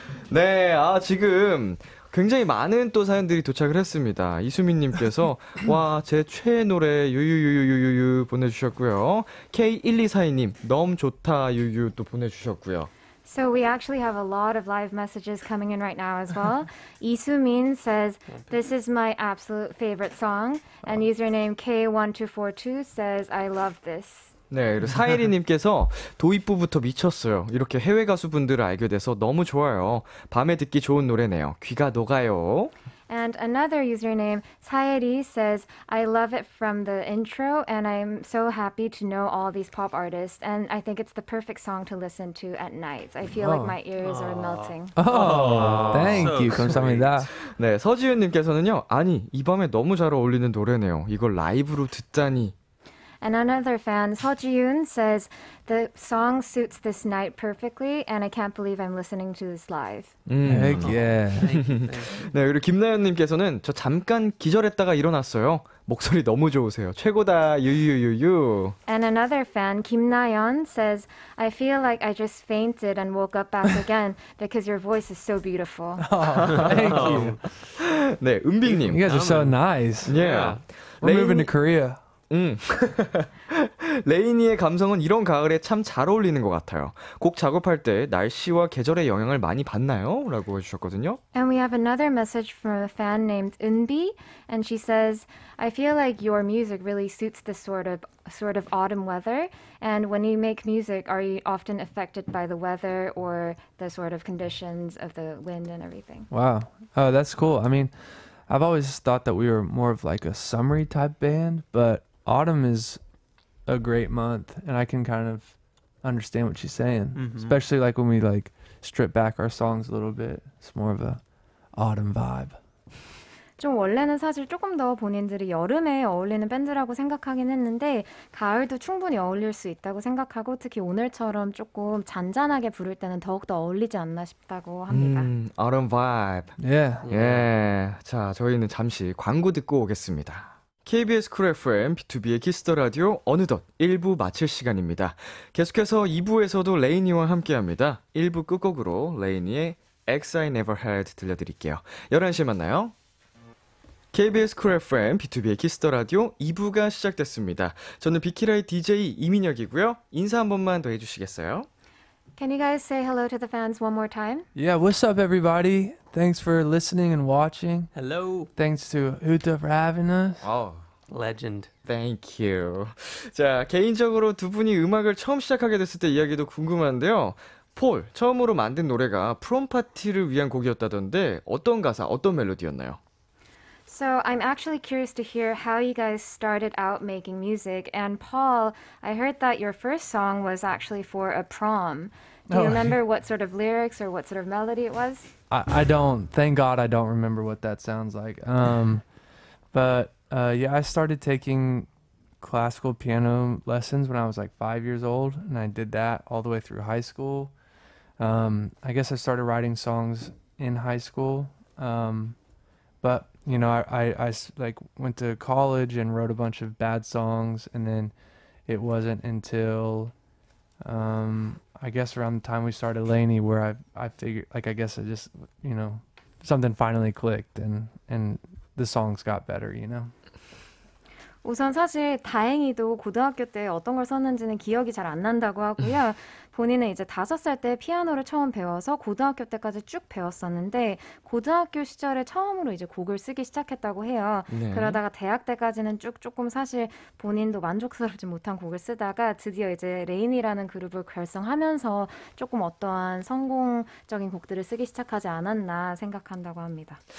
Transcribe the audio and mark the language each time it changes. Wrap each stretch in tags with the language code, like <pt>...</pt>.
<ko>네, 아 지금 굉장히 많은 또 사연들이 도착을 했습니다. 이수민님께서 와, 제 최애 노래 유유유유유유 보내주셨고요. K1242님 너무 좋다 유유 또 보내주셨고요.</ko> <en>So we actually have a lot of live messages coming in right now as well. Isumin says, this is my absolute favorite song. And username K1242 says, I love this.</en> <ko>네, 그리고 사이리님께서 도입부부터 미쳤어요. 이렇게 해외 가수분들을 알게 돼서 너무 좋아요. 밤에 듣기 좋은 노래네요. 귀가 녹아요.</ko> <en>And another username, 사이리, says, I love it from the intro, and I'm so happy to know all these pop artists, and I think it's the perfect song to listen to at night. I feel like my ears are melting. Thank you.</en> <ko>감사합니다. 네, 서지윤님께서는요, 아니, 이 밤에 너무 잘 어울리는 노래네요. 이걸 라이브로 듣다니.</ko> <en>And another fan, 서지윤, says, the song suits this night perfectly, and I can't believe I'm listening to this live. Heck yeah.</en> <ko>네, 그리고 김나연님께서는 저 잠깐 기절했다가 일어났어요. 목소리 너무 좋으세요. 최고다. 유유유유.</ko> <en>And another fan, 김나연, says, I feel like I just fainted and woke up back again because your voice is so beautiful. Thank you.</en> <ko>네, 은빈님.</ko> <en>You guys are so nice. Yeah. Yeah. We're moving to Korea.</en> <ko>레이니의 감성은 이런 가을에 참 잘 어울리는 것 같아요. 곡 작업할 때 날씨와 계절의 영향을 많이 받나요? 라고 해주셨거든요.</ko> <en>And we have another message from a fan named Eunbi, and she says, I feel like your music really suits this sort of autumn weather. And when you make music, are you often affected by the weather or the sort of conditions of the wind and everything? Wow, that's cool. I mean, I've always thought that we were more of like a summery type band, but autumn is a great month, and I can kind of understand what she's saying, especially like when we like strip back our songs a little bit. It's more of a autumn vibe.</en> <ko>좀 원래는 사실 조금 더 본인들이 여름에 어울리는 밴드라고 생각하긴 했는데 가을도 충분히 어울릴 수 있다고 생각하고 특히 오늘처럼 조금 잔잔하게 부를 때는 더욱더 어울리지 않나 싶다고 합니다.</ko> <en>Autumn vibe. Yeah. Yeah.</en> <ko>자, 저희는 잠시 광고 듣고 오겠습니다. KBS Cool FM, BTOB의 키스더라디오 어느덧 1부 마칠 시간입니다. 계속해서 2부에서도 레이니와 함께합니다. 1부 끝곡으로 레이니의 X I Never Had 들려드릴게요. 11시에 만나요. KBS Cool FM, BTOB의 키스더라디오 2부가 시작됐습니다. 저는 비키라의 DJ 이민혁이고요. 인사 한 번만 더 해주시겠어요?</ko> <en>Can you guys say hello to the fans one more time? Yeah, what's up everybody? Thanks for listening and watching. Hello. Thanks to Huta for having us. Oh, legend. Thank you.</en> <ko>자, 개인적으로 두 분이 음악을 처음 시작하게 됐을 때 이야기도 궁금한데요. 폴, 처음으로 만든 노래가 프롬 파티를 위한 곡이었다던데 어떤 가사, 어떤 멜로디였나요?</ko> <en>So I'm actually curious to hear how you guys started out making music. And Paul, I heard that your first song was actually for a prom. Do you remember what sort of lyrics or what sort of melody it was? I don't. Thank God I don't remember what that sounds like. But I started taking classical piano lessons when I was like 5 years old. And I did that all the way through high school. I guess I started writing songs in high school. But I went to college and wrote a bunch of bad songs. And then it wasn't until... I guess around the time we started Laney where I figured like I guess I just you know something finally clicked and the songs got better you know</en> <ko>우선 사실 다행히도 고등학교 때 어떤 걸 썼는지는 기억이 잘 안 난다고 하고요. 본인은 이제 5살 때 피아노를 처음 배워서 고등학교 때까지 쭉 배웠었는데 고등학교 시절에 처음으로 이제 곡을 쓰기 시작했다고 해요. 네. 그러다가 대학 때까지는 쭉 조금 사실 본인도 만족스럽지 못한 곡을 쓰다가 드디어 이제 레인이라는 그룹을 결성하면서 조금 어떠한 성공적인 곡들을 쓰기 시작하지 않았나 생각한다고 합니다.</ko>